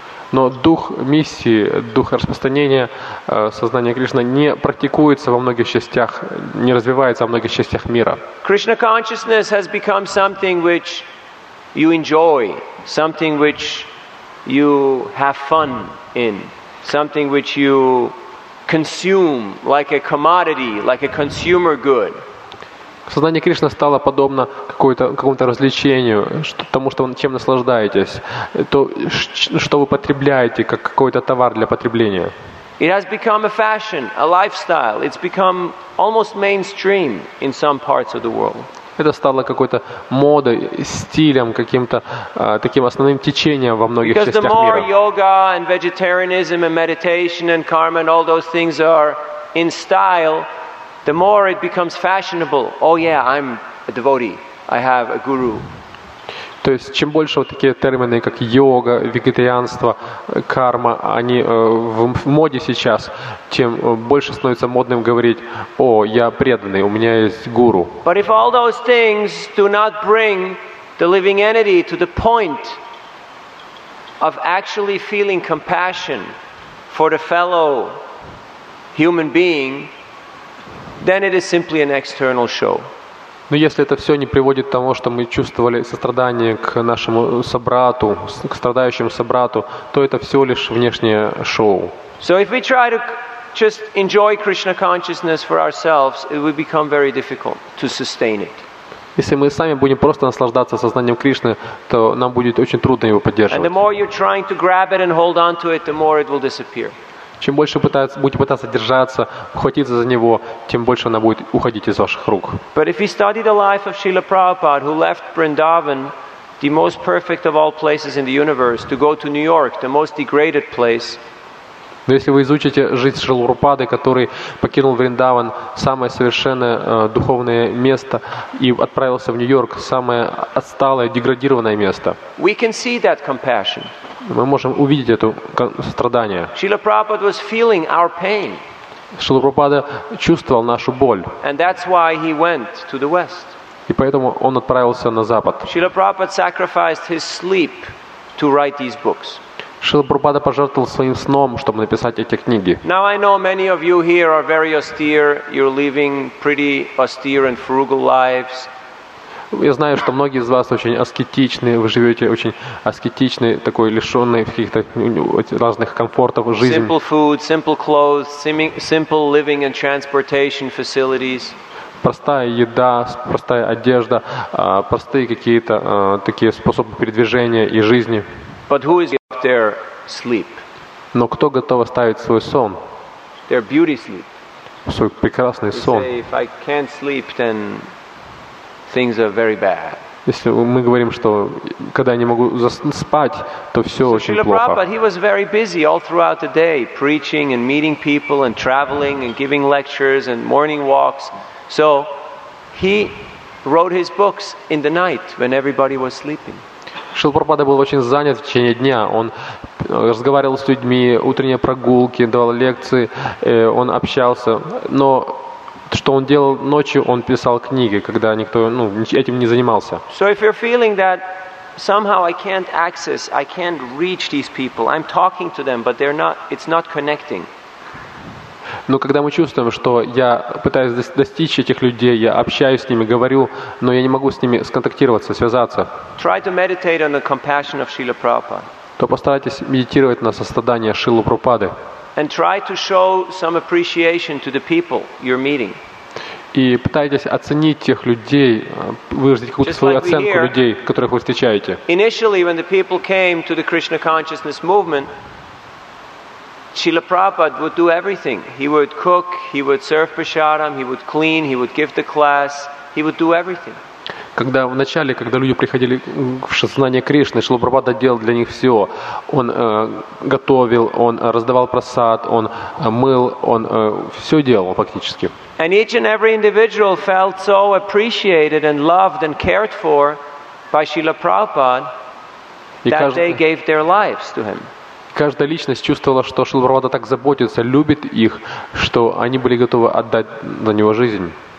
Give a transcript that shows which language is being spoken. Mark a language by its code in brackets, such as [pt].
[ru] Но дух миссии, дух распространения сознания Кришны не практикуется во многих частях, не развивается во многих частях мира. [en] Krishna consciousness has become something which you enjoy, something which you have fun in, something which you consume like a commodity, like a consumer good. [ru] Сознание Кришны стало подобно какому-то развлечению, тому, что чем наслаждаетесь, то, что вы потребляете, как какой-то товар для потребления. [en] It has become a fashion, a lifestyle. It's become almost mainstream in some parts of the world. [ru] Это стало какой-то модой, стилем, каким-то таким основным течением во многих [en] Because [ru] частях мира. [en] Because the more yoga and vegetarianism and meditation and karma and all those things are in style, the more it becomes fashionable. Oh yeah, I'm a devotee. I have a guru. [ru] То есть чем больше вот такие термины, как йога, вегетарианство, карма, они в моде сейчас, тем больше становится модным говорить: "О, я преданный, у меня есть гуру". [en] But if all those things do not bring the living entity to the point of actually feeling compassion for the fellow human being, then it is simply an external show. [ru] Но если это все не приводит к тому, что мы чувствовали сострадание к нашему собрату, к страдающему собрату, то это все лишь внешнее шоу. [en] So if we try to just enjoy Krishna consciousness for ourselves, it will become very difficult to sustain it. [ru] Если мы сами будем просто наслаждаться сознанием Кришны, то нам будет очень трудно его поддерживать. [en] And the more you're trying to grab it and hold on to it, the more it will disappear. [ru] Чем больше будете пытаться держаться, ухватиться за него, тем больше она будет уходить из ваших рук. [en] But if you study the life of Srila Prabhupada, who left Vrindavan, the most perfect of all places in the universe, to go to New York, the most degraded place. [ru] Но если вы изучите жизнь Шрилы Прабхупады, который покинул Вриндаван, самое совершенное духовное место, и отправился в Нью-Йорк, самое отсталое, деградированное место, [en] we can see that compassion. [ru] Мы можем увидеть это страдание. [en] Шрила Прабхупада was feeling our pain. [ru] Шрила Прабхупада чувствовал нашу боль. [en] And that's why he went to the West. [ru] И поэтому он отправился на Запад. [en] Шрила Прабхупада sacrificed his sleep to write these books. [ru] Шрила Прабхупада пожертвовал своим сном, чтобы написать эти книги. [en] Now I know many of you here are very austere. You're living pretty austere and frugal lives. [ru] Я знаю, что многие из вас очень аскетичны. Вы живете очень аскетичной, такой лишенной каких-то разных комфортов жизни. [en] Simple food, simple clothes, simple living and transportation facilities. [ru] Простая еда, простая одежда, простые какие-то такие способы передвижения и жизни. [en] But who is their sleep? [ru] Но кто готов оставить свой сон? [en] Their beauty sleep. [ru] Свой прекрасный сон. [en] Say, if I can't sleep, then things are very bad. [ru] Если мы говорим, что когда я не могу спать, то все очень плохо. [en] Srila Prabhupada, he was very busy all throughout the day, preaching and meeting people and traveling and giving lectures and morning walks. So he wrote his books in the night when everybody was sleeping. [ru] Шрила Прабхупада был очень занят в течение дня. Он разговаривал с людьми, утренние прогулки, давал лекции, он общался. Но что он делал ночью, он писал книги, когда никто этим не занимался. [en] So if you're feeling that somehow I can't access, I can't reach these people, I'm talking to them, but they're not, it's not connecting. [ru] Но когда мы чувствуем, что я пытаюсь достичь этих людей, я общаюсь с ними, говорю, но я не могу с ними сконтактироваться, связаться, [en] try to meditate on the compassion of Srila Prabhupada. [ru] То постарайтесь медитировать на сострадание Шрилы Прабхупады. [en] And try to show some appreciation to the people you're meeting. [ru] И пытайтесь оценить тех людей, выразить какую-то свою оценку людей, которых вы встречаете. [en] Initially, when the people came to the Krishna consciousness movement, Srila Prabhupada would do everything. He would cook, he would serve prasadam, he would clean, he would give the class, he would do everything. [ru] Когда в начале, когда люди приходили в сознание Кришны, Шрила Прабхупада делал для них все. Он готовил, он раздавал прасад, он мыл, он все делал фактически. [en] And each and every individual felt so appreciated and loved and cared for by Srila Prabhupada that they gave their lives to him. [ru] Каждая личность чувствовала, что Шрила Прабхупада так заботится, любит их, что они были готовы отдать за него жизнь.